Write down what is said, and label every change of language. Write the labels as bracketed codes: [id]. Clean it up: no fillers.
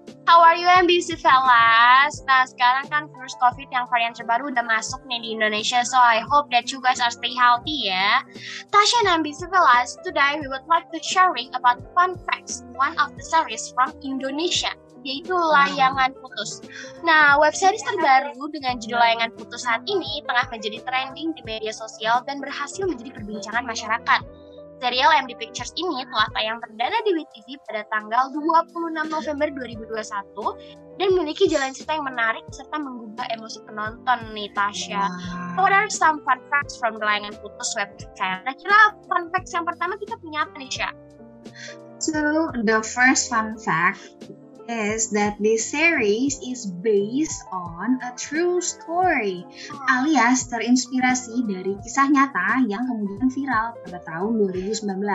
[en] How are you MBC fellas? [id] Nah, sekarang kan virus COVID yang varian terbaru udah masuk nih di Indonesia. [en] So, I hope that you guys are stay healthy ya. Tasha and MBC fellas, today we would like to sharing about fun facts one of the series from Indonesia, yaitu Layangan Putus. [id] Nah, web series terbaru dengan judul Layangan Putus saat ini tengah menjadi trending di media sosial dan berhasil menjadi perbincangan masyarakat. Serial MD Pictures ini telah tayang perdana di WeTV pada tanggal 26 November 2021 dan memiliki jalan cerita yang menarik serta menggugah emosi penonton nih, Tasha. [en] What are some fun facts from the Layangan Putus web series? [id] Nah, kira fun facts yang pertama kita punya apa nih, Sya? [en] So, the first fun fact is that this series is based on a true story, [id] alias terinspirasi dari kisah nyata yang kemudian viral pada tahun 2019.